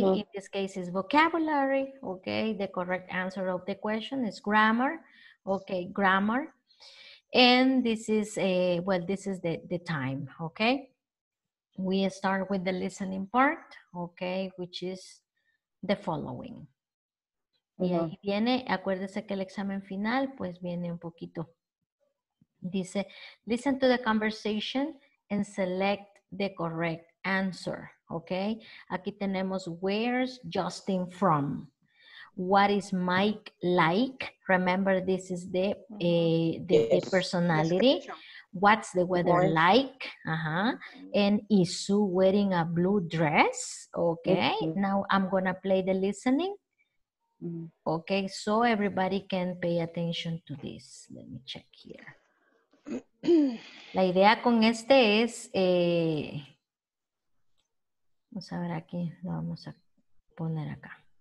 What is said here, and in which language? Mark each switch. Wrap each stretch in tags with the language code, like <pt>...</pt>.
<en>Mm-hmm. In this case, it's vocabulary, okay. The correct answer of the question is grammar, okay, grammar. And this is, this is the time, okay. We start with the listening part, okay, which is the following.</en> <es>Y ahí viene, acuérdese que el examen final, pues viene un poquito. Dice,</es> <en>listen to the conversation and select the correct answer, okay?</en> <es>Aquí tenemos,</es> <en>where's Justin from? What is Mike like? Remember, this is the personality. What's the weather like? Uh-huh. And is Sue wearing a blue dress? Okay, now I'm gonna play the listening. Okay, so everybody can pay attention to this. Let me check here.</en> <es>La idea con este es, vamos a ver aquí, lo vamos a poner acá.</es>